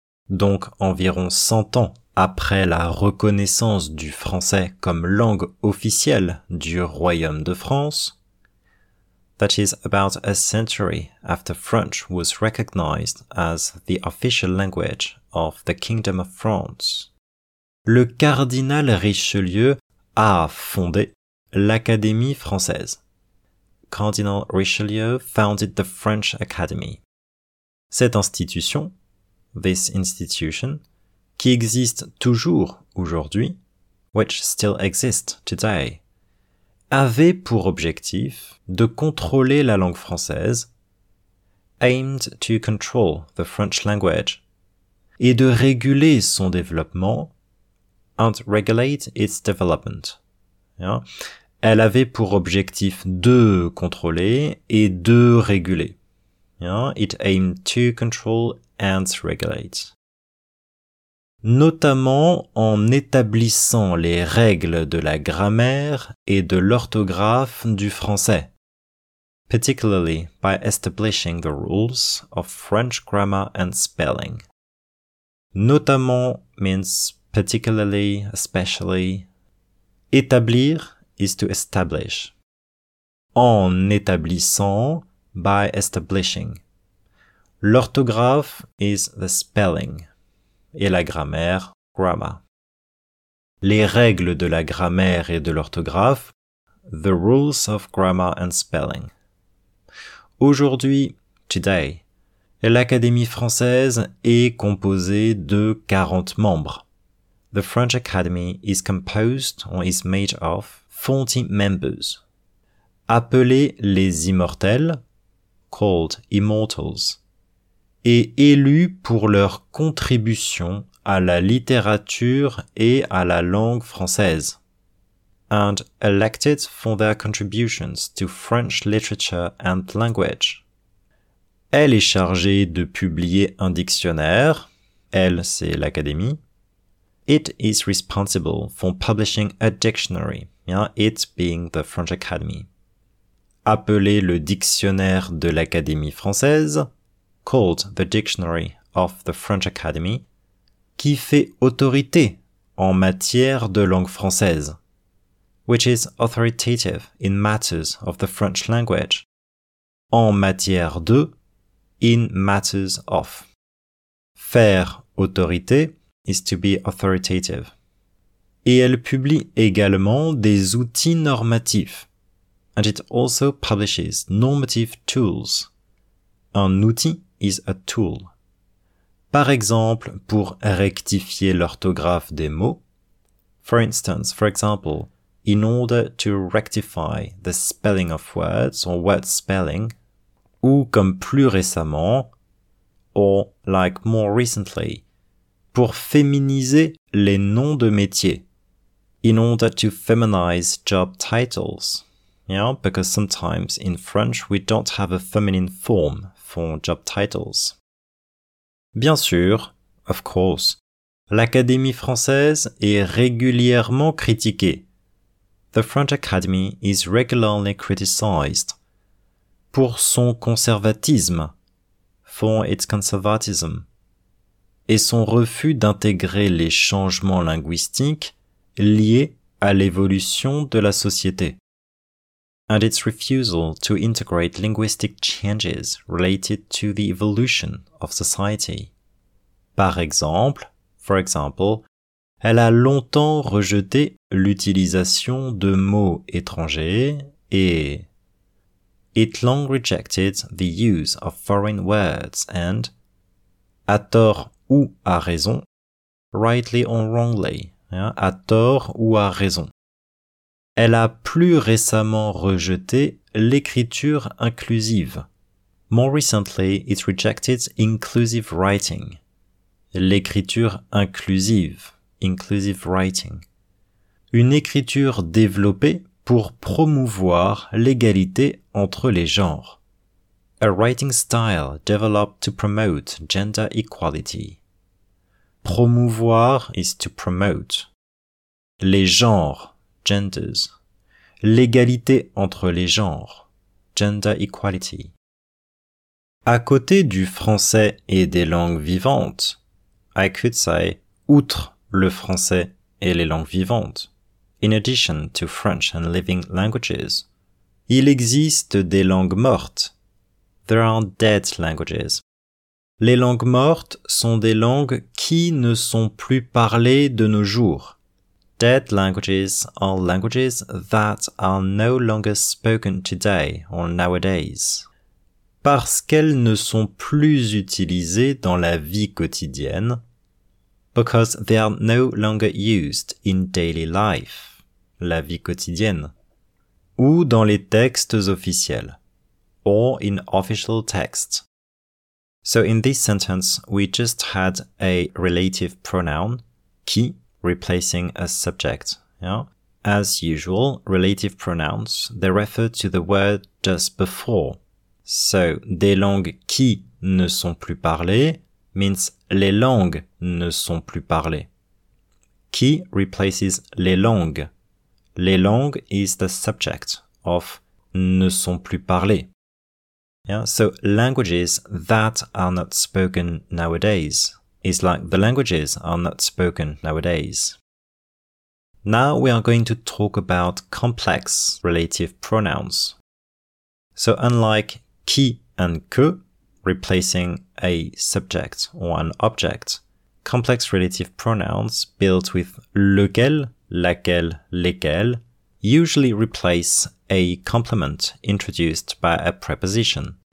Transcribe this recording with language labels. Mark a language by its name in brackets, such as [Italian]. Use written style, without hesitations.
[French] donc environ 100 ans après la reconnaissance du français comme langue officielle du Royaume de France, [English] that is about a century after French was recognized as the official language of the Kingdom of France, [French] le cardinal Richelieu a fondé l'Académie française. [English] Cardinal Richelieu founded the French Academy. [French] Cette institution, [English] this institution, [French] qui existe toujours aujourd'hui, [English] which still exists today, [French] avait pour objectif de contrôler la langue française, [English] aimed to control the French language, [French] et de réguler son développement, [English] and regulate its development. Yeah. [French] Elle avait pour objectif de contrôler et de réguler. [English] Yeah, it aimed to control and regulate. [French] Notamment en établissant les règles de la grammaire et de l'orthographe du français. [English] Particularly by establishing the rules of French grammar and spelling. Notamment means particularly, especially. Établir is to establish. [French] En établissant, [English] by establishing. L'orthographe is the spelling. [French] Et la grammaire, grammar. Les règles de la grammaire et de l'orthographe, [English] the rules of grammar and spelling. [French] Aujourd'hui, [English] today, [French] l'Académie française est composée de 40 membres. [English] The French Academy is composed or is made of 40 members, [French] appelés les immortels, [English] called immortals, [French] et élus pour leur contribution à la littérature et à la langue française, [English] and elected for their contributions to French literature and language. [French] Elle est chargée de publier un dictionnaire, elle c'est l'académie. [English] It is responsible for publishing a dictionary. Yeah, it being the French Academy. [French] Appelé le dictionnaire de l'Académie française, [English] called the Dictionary of the French Academy, [French] qui fait autorité en matière de langue française, [English] which is authoritative in matters of the French language, [French] en matière de, [English] in matters of. Faire autorité is to be authoritative. [French] Et elle publie également des outils normatifs. [English] And it also publishes normative tools. Un outil is a tool. [French] Par exemple, pour rectifier l'orthographe des mots. [English] For instance, for example, in order to rectify the spelling of words or word spelling. [French] Ou comme plus récemment, [English] or like more recently, [French] pour féminiser les noms de métiers. [English] In order to feminize job titles. Yeah, because sometimes in French we don't have a feminine form for job titles. [French] Bien sûr, [English] of course, [French] l'Académie française est régulièrement critiquée. [English] The French Academy is regularly criticized [French] pour son conservatisme, [English] for its conservatism, [French] et son refus d'intégrer les changements linguistiques liés à l'évolution de la société. [English] And its refusal to integrate linguistic changes related to the evolution of society. [French] Par exemple, [English] for example, [French] elle a longtemps rejeté l'utilisation de mots étrangers et [English] it long rejected the use of foreign words and [French] à tort ou à raison, [English] rightly or wrongly, [French] à tort ou à raison. Elle a plus récemment rejeté l'écriture inclusive. [English] More recently, it rejected inclusive writing. [French] L'écriture inclusive, [English] inclusive writing. [French] Une écriture développée pour promouvoir l'égalité entre les genres. [English] A writing style developed to promote gender equality. Promouvoir is to promote. [French] Les genres, genders. L'égalité entre les genres, [English] gender equality. [French] À côté du français et des langues vivantes, [English] I could say, [French] outre le français et les langues vivantes, [English] in addition to French and living languages, [French] il existe des langues mortes, [English] there are dead languages. [French] Les langues mortes sont des langues qui ne sont plus parlées de nos jours. [English] Dead languages are languages that are no longer spoken today or nowadays. [French] Parce qu'elles ne sont plus utilisées dans la vie quotidienne. [English] Because they are no longer used in daily life. [French] La vie quotidienne. Ou dans les textes officiels. [English] Or in official texts. So in this sentence, we just had a relative pronoun, qui, replacing a subject. Yeah? As usual, relative pronouns, they refer to the word just before. So, [French] des langues qui ne sont plus parlées [English] means [French] les langues ne sont plus parlées. [English] Qui replaces les langues. Les langues is the subject of [French] ne sont plus parlées. [English] Yeah? So, languages that are not spoken nowadays. It's like the languages are not spoken nowadays. Now we are going to talk about complex relative pronouns. So unlike qui and que, replacing a subject or an object, complex relative pronouns built with lequel, laquelle, lesquels usually replace a complement introduced by a preposition.